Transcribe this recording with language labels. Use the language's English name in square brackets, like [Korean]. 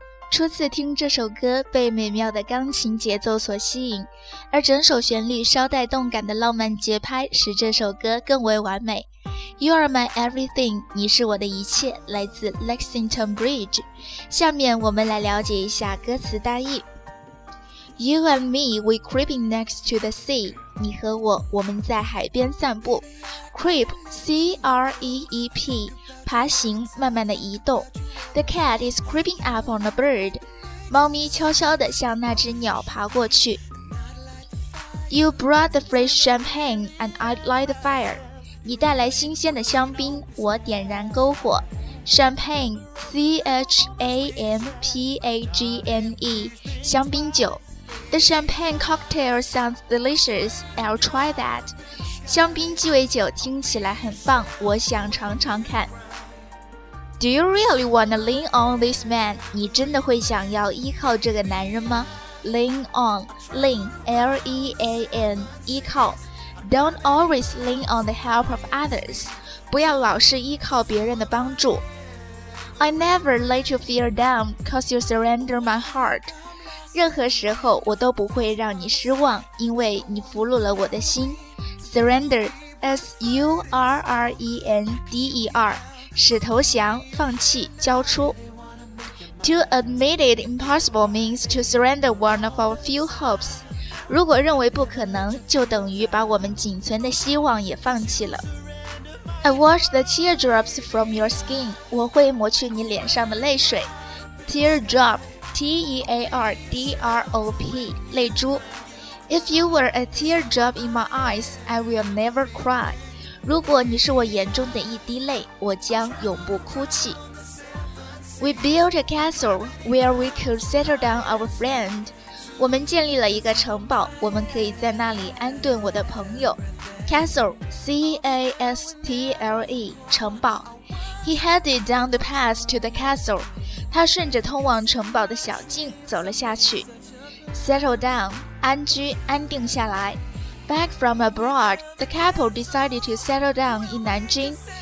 [Chinese] 初次听这首歌，被美妙的钢琴节奏所吸引，而整首旋律稍带动感的浪漫节拍使这首歌更为完美。 [English] You are my everything， [Chinese] 你是我的一切，来自 Lexington Bridge。下面我们来了解一下歌词大意。 [English] You and me, we creeping next to the sea。 [Chinese] 你和我，我们在海边散步。Creep, C-R-E-E-P， 爬行，慢慢的移动。 [English] The cat is creeping up on the bird， [Chinese] 猫咪悄悄地向那只鸟爬过去。 [English] You brought the fresh champagne and I light the fire， [Chinese] 你带来新鲜的香槟，我点燃篝火。 Champagne， C-H-A-M-P-A-G-N-E， 香槟酒。 [English] The champagne cocktail sounds delicious， I'll try that， [Chinese] 香槟鸡尾酒听起来很棒，我想尝尝看。 [English] Do you really want to lean on this man? [Chinese] 你真的会想要依靠这个男人吗？ Lean on, lean, L-E-A-N, 依靠。 [English] Don't always lean on the help of others. [Chinese] 不要老是依靠别人的帮助。 [English] I never let you feel down, cause you surrender my heart. [Chinese] 任何时候我都不会让你失望，因为你俘虏了我的心。 [English] Surrender, S-U-R-R-E-N-D-E-R. [Chinese] 使投降，放弃，交出。 [English] To admit it impossible means to surrender one of our few hopes， [Chinese] 如果认为不可能，就等于把我们仅存的希望也放弃了。 [English] I wash the teardrops from your skin， [Chinese] 我会抹去你脸上的泪水。 Teardrop， T-E-A-R-D-R-O-P， 泪珠。 [English] If you were a teardrop in my eyes， I will never cry， [Chinese] 如果你是我眼中的一滴泪，我将永不哭泣。 [English] We built a castle where we could settle down our friend， [Chinese] 我们建立了一个城堡，我们可以在那里安顿我的朋友。 [English] Castle, C-A-S-T-L-E， 城堡。 He headed down the path to the castle， [Chinese] 他顺着通往城堡的小径走了下去。 Settle down， 安居，安定下来。 [English] Back from abroad, the couple decided to settle down in Nanjing.